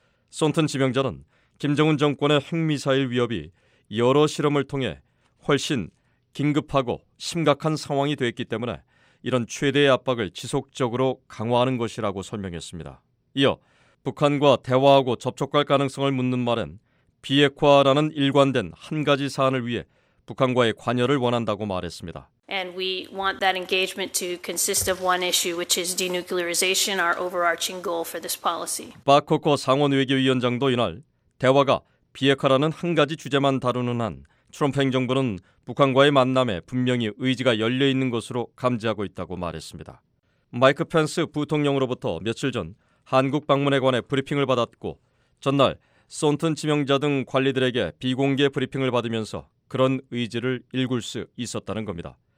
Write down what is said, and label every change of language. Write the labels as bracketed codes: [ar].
[ko] 손튼 지명자는 김정은 정권의 핵미사일 위협이 여러 실험을 통해 훨씬 긴급하고 심각한 상황이 됐기 때문에 이런 최대의 압박을 지속적으로 강화하는 것이라고 설명했습니다. 이어 북한과 대화하고 접촉할 가능성을 묻는 말엔 비핵화라는 일관된 한 가지 사안을 위해 북한과의 관여를 원한다고 말했습니다. [en] And we want that engagement to consist of one issue, which is denuclearization, our overarching goal for this policy. [ko] 바코코 상원 외교위원장도 이날 대화가 비핵화라는 한 가지 주제만 다루는 한 트럼프 행정부는 북한과의 만남에 분명히 의지가 열려 있는 것으로 감지하고 있다고 말했습니다. 마이크 펜스 부통령으로부터 며칠 전 한국 방문에 관해 브리핑을 받았고 전날 손튼 지명자 등 관리들에게 비공개 브리핑을 받으면서 그런 의지를 일굴 수 있었다는 겁니다.